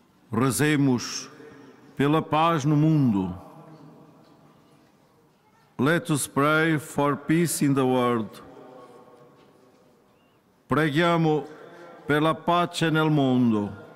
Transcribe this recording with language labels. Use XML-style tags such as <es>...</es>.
<pt>Rezemos pela paz no mundo.</pt> <en>Let us pray for peace in the world.</en> <it>Preghiamo per la pace nel mondo.</it>